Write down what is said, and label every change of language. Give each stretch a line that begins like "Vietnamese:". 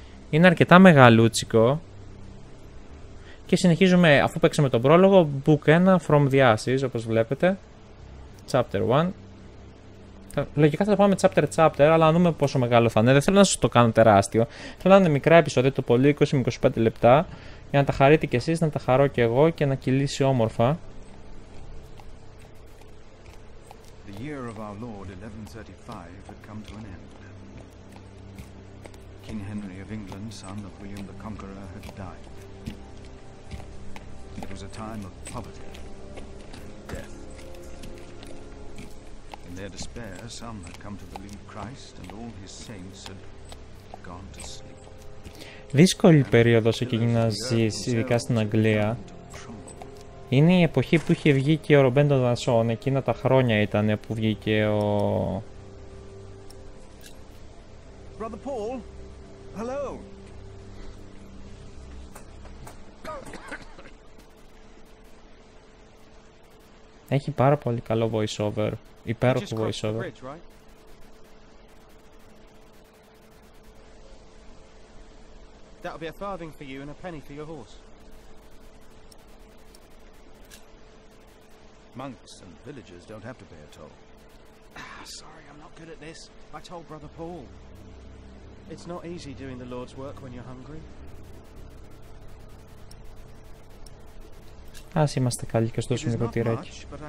Greek: Είναι αρκετά μεγαλούτσικο. Και συνεχίζουμε, αφού παίξαμε τον πρόλογο,
English: book 1, from the Ashes,
Greek: όπως βλέπετε. Chapter 1. Λογικά θα το πάμε chapter-chapter, αλλά να δούμε πόσο μεγάλο θα είναι. Δεν θέλω να σας το κάνω τεράστιο. Θέλω να είναι μικρά επεισόδια, το πολύ 20 με 25 λεπτά, για να τα χαρείτε κι εσείς, να τα χαρώ κι εγώ και να κυλήσει όμορφα.
English: The year of our Lord 1135 had come to an end. King Henry of England, son of William the Conqueror, had died. It was a time of poverty, death. In their despair, some had come to believe Christ and all his saints had gone to sleep.
Greek: Δύσκολη περίοδος εκείνη να ζεις, ειδικά στην Αγγλία. Είναι η εποχή που είχε βγει και ο Ρομπέν των Δανσών, εκείνα τα χρόνια ήταν που βγήκε ο...
English: Brother Paul, hello.
Greek: Έχει πάρα πολύ καλό voice-over. Υπέροχο voice-over.
English: That'll be a farthing for you and a penny for your horse. Monks and villagers don't have to pay a toll. Ah, sorry, I'm not good at this. I told Brother Paul. It's not easy doing the Lord's work when you're hungry.
Greek: Ας είμαστε καλοί και στους μικροτυράκι.